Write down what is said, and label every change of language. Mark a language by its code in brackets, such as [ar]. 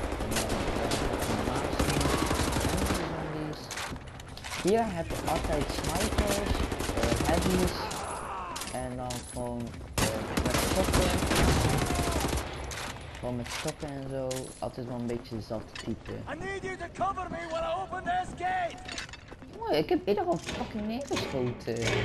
[nl] En dan heb je een maatje, zombies. Hier heb je altijd snipers, heavies en dan gewoon klokken. Gewoon met stokken en zo, altijd wel een beetje dezelfde type. [en] I need you to cover me when I open this gate! [nl] Mooi, ik heb eerder al fucking neergeschoten.